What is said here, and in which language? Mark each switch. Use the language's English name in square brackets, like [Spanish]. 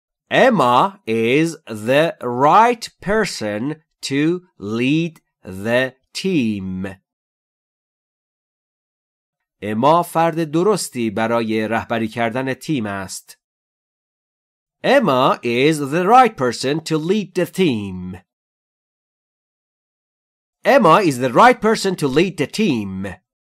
[English] Emma is the right person to lead the team. [Persian] اما فرد درستی برای رهبری کردن تیم است. [English] Emma is the right person to lead the team. Emma is the right person to lead the team.